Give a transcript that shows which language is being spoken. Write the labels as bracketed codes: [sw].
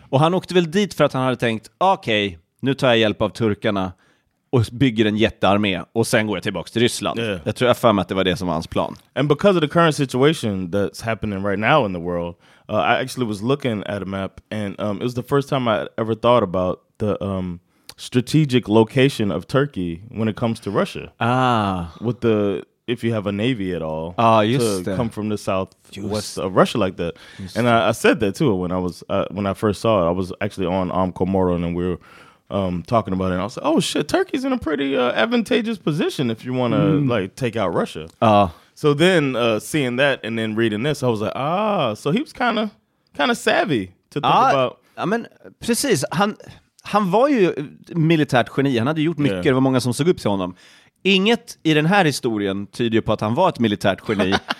[sv] Och han åkte väl dit för att han hade tänkt, okej, nu tar jag hjälp av turkarna och bygger en jättearmé och sen går jag tillbaka till Ryssland. [en] Yeah. [sv] Jag tror jag fan att det var det som var hans plan. [en] And because of the current situation that's happening right now in the world, I actually was looking at a map and it was the first time I ever thought about the strategic location of Turkey when it comes to Russia. Ah, with the if you have a navy at all, come from the south of Russia like that. And I said that too when I was when I first saw it. I was actually on Komoro and we were talking about it. And I was like, oh shit, Turkey's in a pretty advantageous position if you want to like take out Russia. So then seeing that and then reading this, I was like, ah, so he was kind of savvy to think about. I mean, [sv] precis. Han var ju militärt geni. Han hade gjort mycket. Det var många som såg upp till honom. Inget i den här historien tyder ju på att han var ett militärt geni.